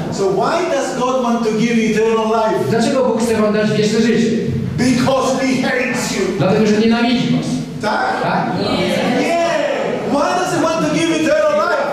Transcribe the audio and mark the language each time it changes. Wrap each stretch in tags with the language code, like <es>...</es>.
<en>So why does God want to give eternal life?</en> <pl>Dlaczego Bóg chce wam dać wieczne życie?</pl> <en>Because he hates you.</en> <pl>Dlatego, że nienawidzi was. Tak? Tak.</pl> <en>Yeah. Yeah. Why does he want to give eternal life?</en>